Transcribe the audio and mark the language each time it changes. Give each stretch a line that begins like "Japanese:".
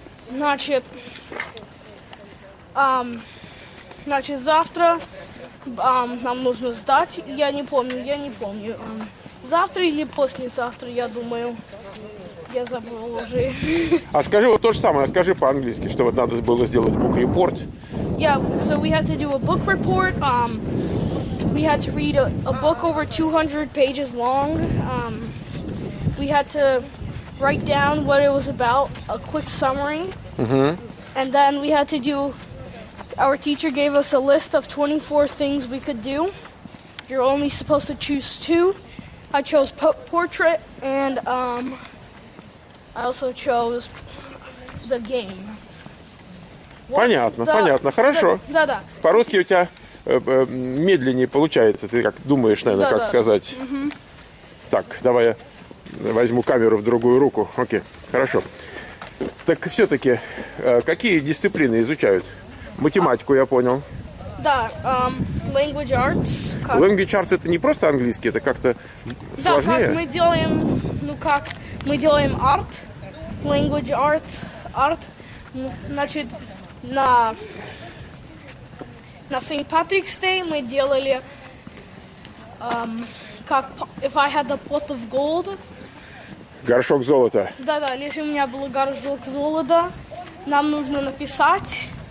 Russian: Значит, завтра... нам нужно сдать. Я не помню. Завтра или послезавтра, я думаю. Я забыла уже. А скажи вот то же самое, скажи по-английски, что вот надо было сделать book report.
English: Yeah, so we had to do a book report. We had to read a book over 200 pages long. We had to write down what it was about, a quick summary. Mm-hmm. And then we had to do... Our teacher gave us a list of 24 things we could do. You're only supposed to choose two. I chose portrait, and I also chose the game.
Russian: Понятно, да, понятно, хорошо. Да. По-русски у тебя медленнее получается, ты как думаешь, наверное, да, как сказать. Mm-hmm. Так, давай я возьму камеру в другую руку. Окей, хорошо. Так все-таки, какие дисциплины изучают? Математику я понял.
English: Да, language arts.
Russian: Как... Language arts — это не просто английский, это как-то сложнее. Да, как мы делаем, мы делаем art, language art, Значит, на St.
English: Patrick's Day
Russian: мы делали, как
English: if I had a pot of gold.
Russian: Горшок золота. Да, если у меня был горшок золота, нам нужно написать...